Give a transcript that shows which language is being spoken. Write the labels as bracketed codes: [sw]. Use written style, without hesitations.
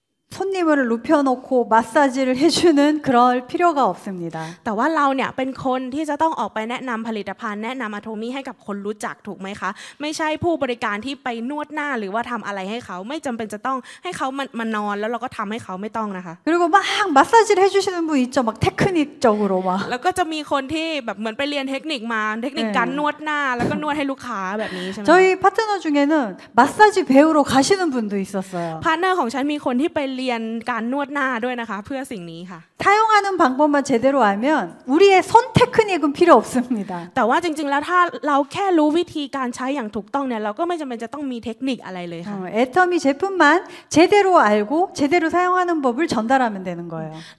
[ko] 손님을 눕혀 놓고 마사지를 해 주는 그럴 필요가 없습니다. [th] แต่ว่าเราเนี่ยเป็นคนที่จะต้องออกไปแนะนำผลิตภัณฑ์แนะนำอะโทมี่ให้กับคนรู้จักถูกไหมคะไม่ใช่ผู้บริการที่ไปนวดหน้าหรือว่าทำอะไรให้เขาไม่จำเป็นจะต้องให้เขามานอนแล้วเราก็ทำให้เขาไม่ต้องนะคะ [ko] 그리고 막 마사지를 해 주시는 분 있죠. 막 테크닉적으로 막 [th] แล้วก็จะมีคนที่แบบเหมือนไปเรียนเทคนิคมาเทคนิคการนวดหน้าแล้วก็นวดให้ลูกค้าแบบนี้ใช่มั้ย [ko] 저희 파트너 중에는 마사지 배우러 가시는 분도 있었어요. [th] 파트너ของฉันมีคนที่ไปเรียนการนวดหน้าด้วยนะคะเพื่อสิ่งนี้ค่ะ [ko] 사용하는 방법만 제대로 알면 우리의 손 테크닉은 필요 없습니다. [zh] 但话真正来，他， [th] เราแค่รู้วิธีการใช้อย่างถูกต้องเนี่ยเราก็ไม่จำเป็นจะต้องมีเทคนิคอะไรเลยค่ะ [ko] 애터미 제품만 제대로 알고 제대로 사용하는 법을 전달하면 되는 거예요.